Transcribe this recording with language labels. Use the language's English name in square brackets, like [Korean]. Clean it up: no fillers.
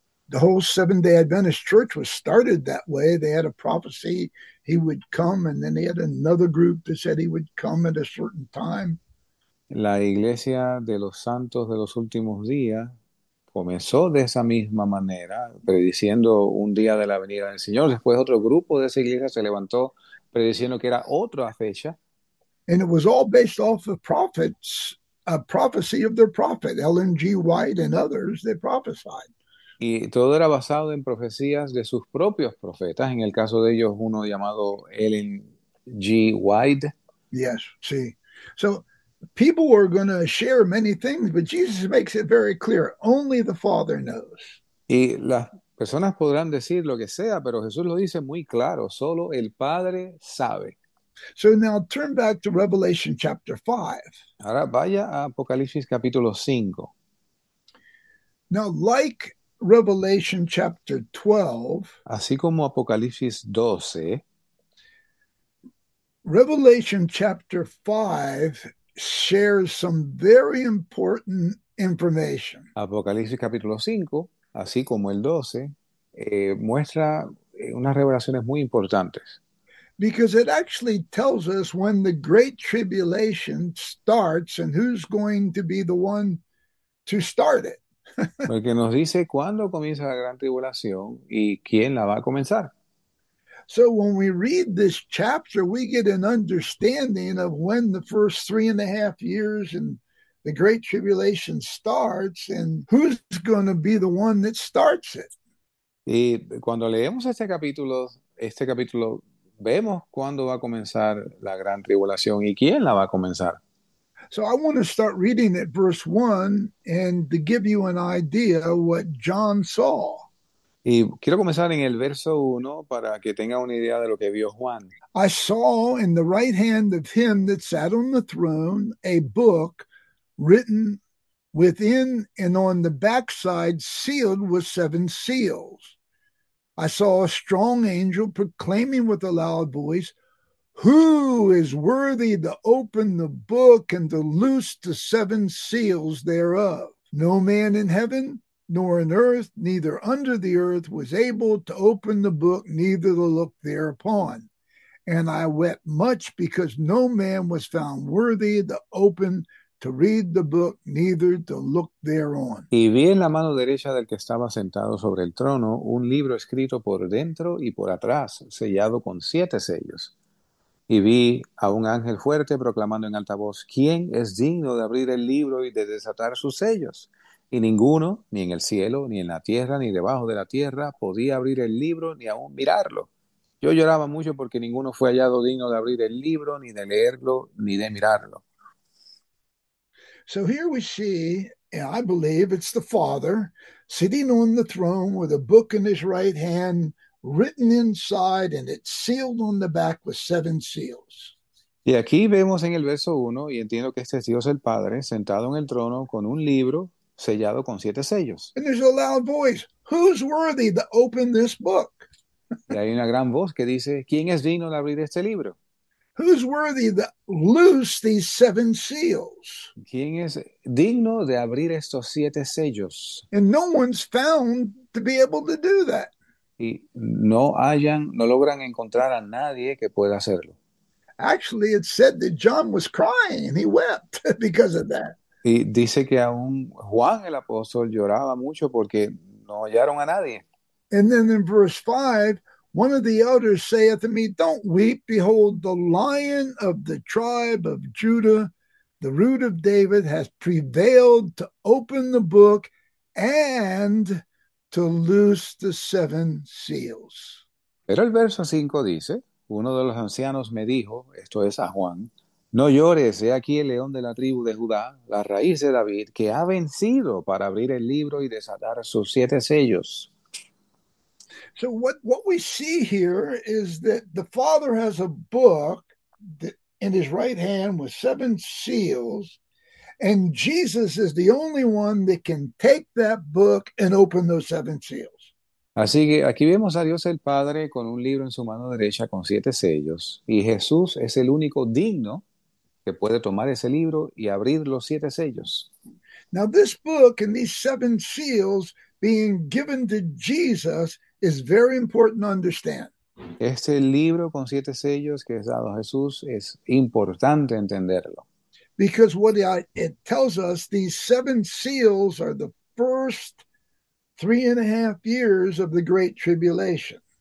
[English] The whole Seventh-day Adventist Church was started that way. They had a prophecy he would come, and then they had another group that said he would come at a certain time. [Spanish] La Iglesia de los Santos de los Últimos Días comenzó de esa misma manera, prediciendo un día de la venida del Señor. Después otro grupo de esa iglesia se levantó prediciendo que era otra fecha. [English] It was all based off of prophets, a prophecy of their prophet, Ellen G. White and others, they prophesied. [Spanish] Y todo era basado en profecías de sus propios profetas, en el caso de ellos uno llamado Ellen G. White. [English] Yes, see. So people are going to share many things, but Jesus makes it very clear. Only the Father knows. [Spanish] Y las personas podrán decir lo que sea, pero Jesús lo dice muy claro, solo el Padre sabe. [English] So now turn back to Revelation chapter 5. [Spanish] Ahora vaya a Apocalipsis capítulo 5. [English] Now, like Revelation chapter 12, [Spanish] Así como Apocalipsis 12. [English] Revelation chapter 5 shares some very important information. [Spanish] Apocalipsis capítulo 5. Así como el 12, muestra unas revelaciones muy importantes. [English] Because it actually tells us when the great tribulation starts and who's going to be the one to start it. [Spanish] Porque nos dice cuándo comienza la gran tribulación y quién la va a comenzar. [English] So when we read this chapter, we get an understanding of when the first 3.5 years and the Great Tribulation starts and who's going to be the one that starts it. [Spanish] Y cuando leemos este capítulo, vemos cuándo va a comenzar la gran tribulación y quién la va a comenzar. [English] So I want to start reading at verse 1 and to give you an idea of what John saw. [Spanish] Y quiero comenzar en el verso 1 para que tenga una idea de lo que vio Juan. [English] I saw in the right hand of him that sat on the throne a book written within and on the backside sealed with seven seals. I saw a strong angel proclaiming with a loud voice, "Who is worthy to open the book and to loose the seven seals thereof?" No man in heaven, nor in earth, neither under the earth was able to open the book, neither to look thereupon. And I wept much because no man was found worthy to open to read the book, neither to look thereon. [Spanish] Y vi en la mano derecha del que estaba sentado sobre el trono un libro escrito por dentro y por atrás, sellado con siete sellos. Y vi a un ángel fuerte proclamando en alta voz, ¿quién es digno de abrir el libro y de desatar sus sellos? Y ninguno, ni en el cielo, ni en la tierra, ni debajo de la tierra, podía abrir el libro ni aun mirarlo. Yo lloraba mucho porque ninguno fue hallado digno de abrir el libro, ni de leerlo, ni de mirarlo. [English] So here we see, and I believe it's the Father, sitting on the throne with a book in his right hand, written inside, and it's sealed on the back with seven seals. [Spanish] Y aquí vemos en el verso 1, y entiendo que este es Dios el Padre, sentado en el trono con un libro sellado con siete sellos. [English] And there's a loud voice, who's worthy to open this book? [Spanish] Y hay una gran voz que dice, ¿quién es digno de abrir este libro? [English] Who's worthy to loose these seven seals? [Spanish] ¿Quién es digno de abrir estos siete sellos? [English] And no one's found to be able to do that. [Spanish] Y no hayan, no logran encontrar a nadie que pueda hacerlo. [English] Actually, it said that John was crying and he wept because of that. [Spanish] Y dice que aún Juan el apóstol lloraba mucho porque no hallaron a nadie. [English] And then in verse 5, one of the elders saith to me, don't weep, behold, the lion of the tribe of Judah, the root of David, has prevailed to open the book and to loose the seven seals. [Spanish] Pero el verso 5 dice, uno de los ancianos me dijo, esto es a Juan, no llores, he aquí el león de la tribu de Judá, la raíz de David, que ha vencido para abrir el libro y desatar sus siete sellos. [English] So what we see here is that the Father has a book that in his right hand with seven seals, and Jesus is the only one that can take that book and open those seven seals. [Spanish] Así que aquí vemos a Dios el Padre con un libro en su mano derecha con siete sellos, y Jesús es el único digno que puede tomar ese libro y abrir los siete sellos. [English] Now this book and these seven seals being given to Jesus is very important to understand. [Spanish] Este libro con siete sellos que es dado a Jesús es importante entenderlo. [English] Because what it tells us, these seven seals are the first 3.5 years of the Great Tribulation.